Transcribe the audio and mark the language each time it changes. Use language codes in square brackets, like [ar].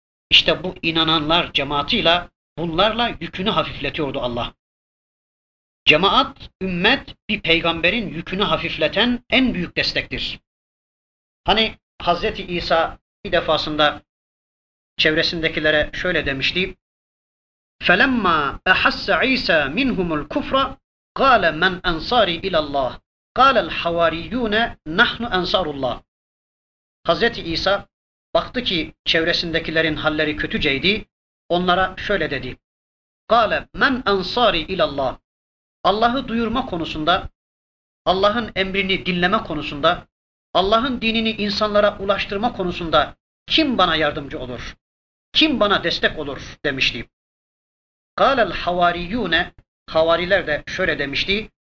[tr] İşte bu inananlar cemaatiyle bunlarla yükünü hafifletiyordu Allah. Cemaat, ümmet bir peygamberin yükünü hafifleten en büyük destektir. Hani Hazreti İsa bir defasında çevresindekilere şöyle demişti. [ar] فَلَمَّا أَحَسَّ عِيسَى مِنْهُمُ الْكُفْرَ قَالَ مَنْ أَنْصَارِ إِلَى اللّٰهِ قَالَ الْحَوَارِيُّونَ نَحْنُ أَنْصَارُ اللّٰهِ [tr] Hazreti İsa baktı ki çevresindekilerin halleri kötüceydi. Onlara şöyle dedi. [ar] قَالَ مَنْ أَنْصَارِ إِلَى اللّٰهِ [tr] Allah'ı duyurma konusunda, Allah'ın emrini dinleme konusunda, Allah'ın dinini insanlara ulaştırma konusunda kim bana yardımcı olur? Kim bana destek olur? Demişti. [ar] قَالَ الْحَوَارِيُّونَ [tr] Havariler de şöyle demişti.